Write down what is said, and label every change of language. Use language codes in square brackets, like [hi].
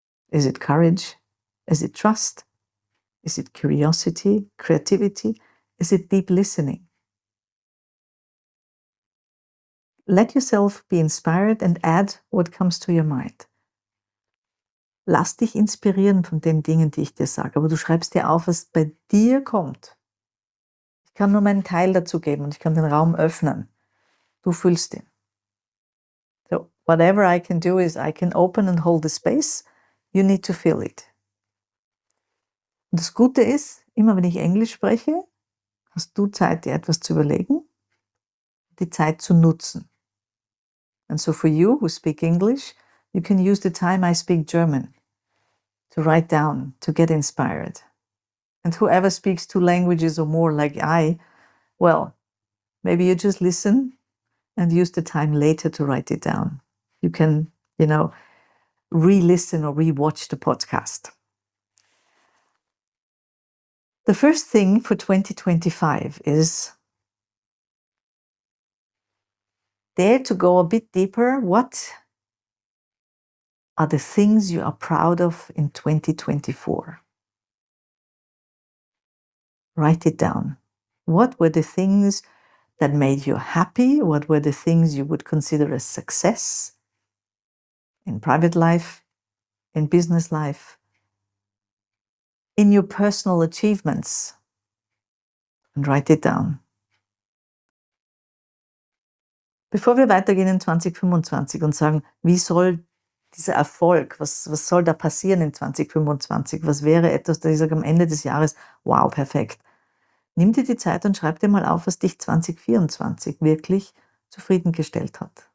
[en] Is it courage? Is it trust? Is it curiosity, creativity? Is it deep listening? Let yourself be inspired and add what comes to your mind. [de] Lass dich inspirieren von den Dingen, die ich dir sage, aber du schreibst dir auf, was bei dir kommt. Ich kann nur meinen Teil dazu geben und ich kann den Raum öffnen. Du fühlst ihn. [en] Whatever I can do is I can open and hold the space. You need to feel it. [de] Und das Gute ist, immer wenn ich Englisch spreche, hast du Zeit, dir etwas zu überlegen, die Zeit zu nutzen. [en] And so for you who speak English, you can use the time I speak German to write down, to get inspired. And whoever speaks two languages or more like I, well, maybe you just listen and use the time later to write it down. You can, you know, re-listen or re-watch the podcast. The first thing for 2025 is dare to go a bit deeper. What are the things you are proud of in 2024? Write it down. What were the things that made you happy? What were the things you would consider a success? In private life, in business life, in your personal achievements, and write it down. [de] Bevor wir weitergehen in 2025 und sagen, wie soll dieser Erfolg, was soll da passieren in 2025, was wäre etwas, das ich sage am Ende des Jahres, wow, perfekt. Nimm dir die Zeit und schreib dir mal auf, was dich 2024 wirklich zufriedengestellt hat.